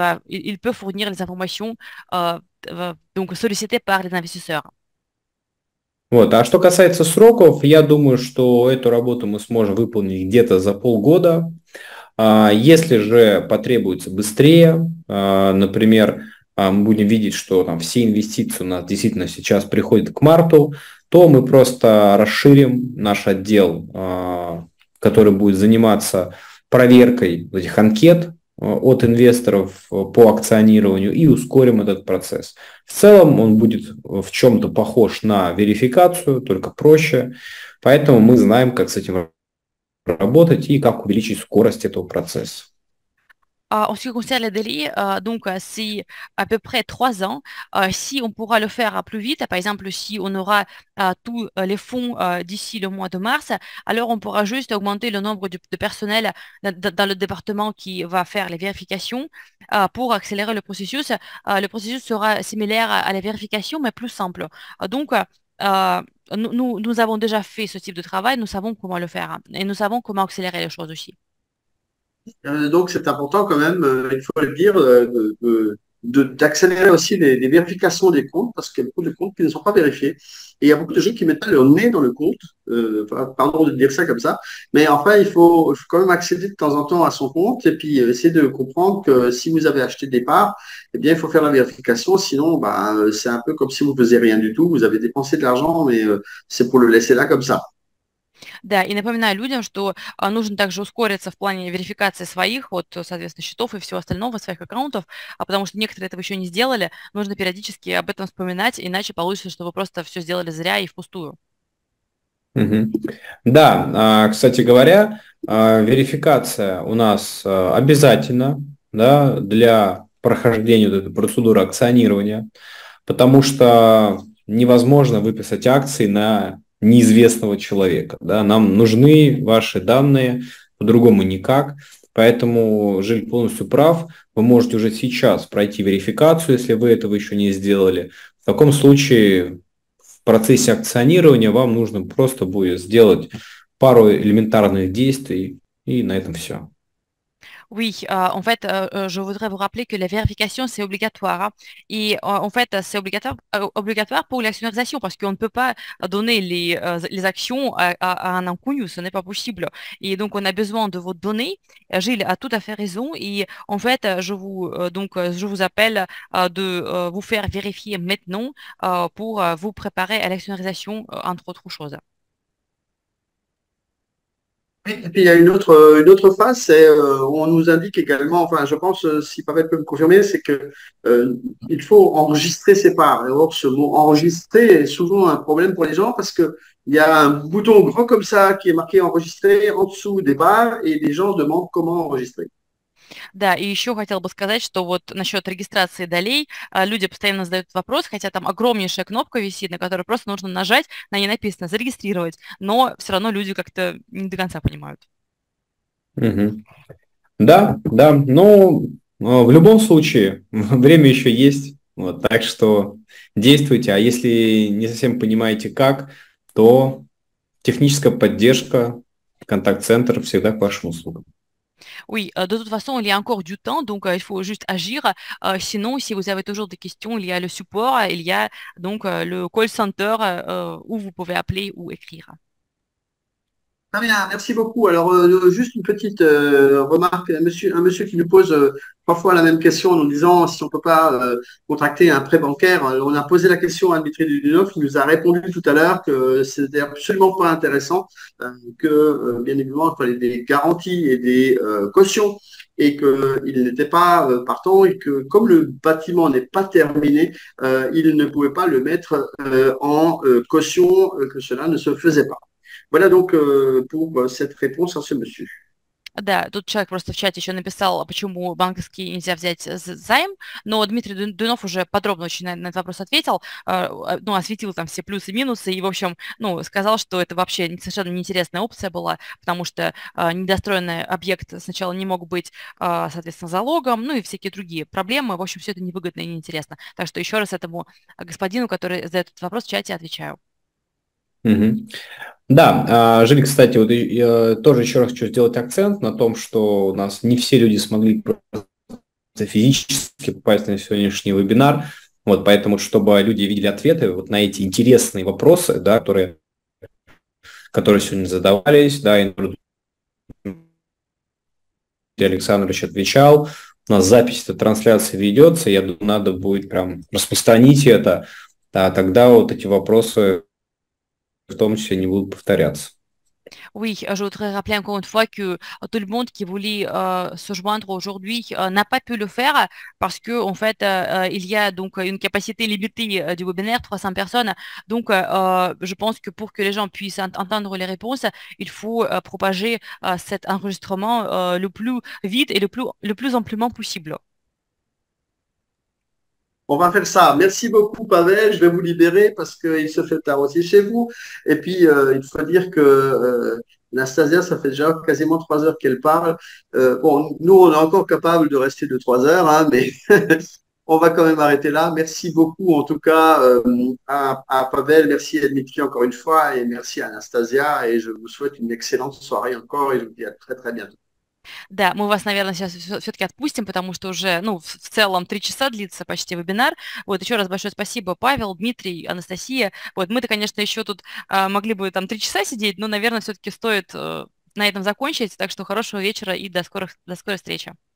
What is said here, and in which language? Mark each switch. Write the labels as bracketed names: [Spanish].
[French] Il peut fournir les informations donc sollicitées par les investisseurs. [Russian] Вот. А что касается сроков, я думаю, что эту работу мы сможем выполнить где-то за полгода. Если же потребуется быстрее, например, мы будем видеть, что там все инвестиции у нас действительно сейчас приходят к марту, то мы просто расширим наш отдел, который будет заниматься проверкой этих анкет от инвесторов по акционированию и ускорим этот процесс. В целом он будет в чем-то похож на верификацию, только проще. Поэтому мы знаем, как с этим работать и как увеличить скорость этого процесса. [French] En ce qui concerne les délais, donc c'est à peu près 3 ans. Si on pourra le faire plus vite, par exemple si on aura tous les fonds d'ici le mois de mars, alors on pourra juste augmenter le nombre de personnel dans le département qui va faire les vérifications pour accélérer le processus. Le processus sera similaire à la vérification, mais plus simple. Nous avons déjà fait ce type de travail, nous savons comment le faire et nous savons comment accélérer les choses aussi. Donc c'est important quand même, il faut le dire, d'accélérer aussi les vérifications des comptes, parce qu'il y a beaucoup de comptes qui ne sont pas vérifiés. Et il y a beaucoup de gens qui mettent leur nez dans le compte, pardon de dire ça comme ça, mais enfin il faut quand même accéder de temps en temps à son compte et puis essayer de comprendre que si vous avez acheté des parts, eh bien il faut faire la vérification, sinon bah, c'est un peu comme si vous ne faisiez rien du tout, vous avez dépensé de l'argent, mais c'est pour le laisser là comme ça. [Russian] Да, и напоминаю людям, что нужно также ускориться в плане верификации своих, вот, соответственно, счетов и всего остального, своих аккаунтов, потому что некоторые этого еще не сделали, нужно периодически об этом вспоминать, иначе получится, что вы просто все сделали зря и впустую. Да, кстати говоря, верификация у нас обязательна, да, для прохождения вот этой процедуры акционирования, потому что невозможно выписать акции на неизвестного человека. Да? Нам нужны ваши данные, по-другому никак. Поэтому Жиль полностью прав. Вы можете уже сейчас пройти верификацию, если вы этого еще не сделали. В таком случае в процессе акционирования вам нужно просто будет сделать пару элементарных действий и на этом все. [French] Oui, en fait, je voudrais vous rappeler que la vérification, c'est obligatoire. Et en fait, c'est obligatoire pour l'actionnarisation parce qu'on ne peut pas donner les actions à un inconnu, ce n'est pas possible. Et donc, on a besoin de vos données. Gilles a tout à fait raison. Et en fait, je vous appelle de vous faire vérifier maintenant pour vous préparer à l'actionnarisation, entre autres choses. Et puis il y a une autre phase, c'est on nous indique également, enfin je pense, si Pavel peut me confirmer, c'est qu'il faut enregistrer ses parts. Et or, ce mot enregistrer est souvent un problème pour les gens parce qu'il y a un bouton grand comme ça qui est marqué enregistrer en dessous des parts et les gens demandent comment enregistrer. [Russian] Да, и еще хотел бы сказать, что вот насчет регистрации долей, люди постоянно задают вопрос, хотя там огромнейшая кнопка висит, на которую просто нужно нажать, на ней написано «зарегистрировать», но все равно люди как-то не до конца понимают. Угу. Да, да, но в любом случае время еще есть, вот, так что действуйте, а если не совсем понимаете как, то техническая поддержка, контакт-центр всегда к вашим услугам. [French] Oui, de toute façon, il y a encore du temps, donc il faut juste agir. Sinon, si vous avez toujours des questions, il y a le support, il y a donc le call center où vous pouvez appeler ou écrire. Très bien, merci beaucoup. Alors, juste une petite remarque, un monsieur qui nous pose parfois la même question en nous disant si on ne peut pas contracter un prêt bancaire. On a posé la question à Dmitri Dudinov, qui nous a répondu tout à l'heure que ce n'était absolument pas intéressant, que bien évidemment, il fallait des garanties et des cautions, et qu'il n'était pas partant, et que comme le bâtiment n'est pas terminé, il ne pouvait pas le mettre en caution, que cela ne se faisait pas. Voilà donc pour cette réponse à ce monsieur. [Russian] Да, тут человек просто в чате еще написал, почему банковский нельзя взять займ, но Дмитрий Дунов уже подробно очень на этот вопрос ответил, ну, осветил там все плюсы и минусы, и, в общем, ну, сказал, что это вообще совершенно неинтересная опция была, потому что недостроенный объект сначала не мог быть, соответственно, залогом, ну, и всякие другие проблемы, в общем, все это невыгодно и неинтересно. Так что еще раз этому господину, который задает этот вопрос, в чате отвечаю. Да, Жень, кстати, вот я тоже еще раз хочу сделать акцент на том, что у нас не все люди смогли физически попасть на сегодняшний вебинар. Вот поэтому, чтобы люди видели ответы вот на эти интересные вопросы, да, которые сегодня задавались, да, и Александрович отвечал. У нас запись этой трансляции ведется, я думаю, надо будет прям распространить это, да, тогда вот эти вопросы в том числе не будут повторяться. [French] Oui, je voudrais rappeler encore une fois que tout le monde qui voulait se joindre aujourd'hui n'a pas pu le faire parce que en fait il y a donc une capacité limitée du webinaire, 300 personnes. Donc je pense que pour que les gens puissent entendre les réponses, il faut propager cet enregistrement le plus vite et le plus amplement possible. On va faire ça. Merci beaucoup, Pavel. Je vais vous libérer parce qu'il se fait tard aussi chez vous. Et puis, il faut dire que Nastasia, ça fait déjà quasiment 3 heures qu'elle parle. Bon, nous, on est encore capable de rester 2, 3 heures, hein, mais on va quand même arrêter là. Merci beaucoup, en tout cas, à Pavel. Merci à Dmitri encore une fois. Et merci à Anastasia. Et je vous souhaite une excellente soirée encore. Et je vous dis à très, très bientôt. [Russian] Да, мы вас, наверное, сейчас все-таки отпустим, потому что уже, ну, в целом 3 часа длится почти вебинар. Вот, еще раз большое спасибо, Павел, Дмитрий, Анастасия. Вот, мы-то, конечно, еще тут могли бы там 3 часа сидеть, но, наверное, все-таки стоит на этом закончить. Так что хорошего вечера и до скорой встречи.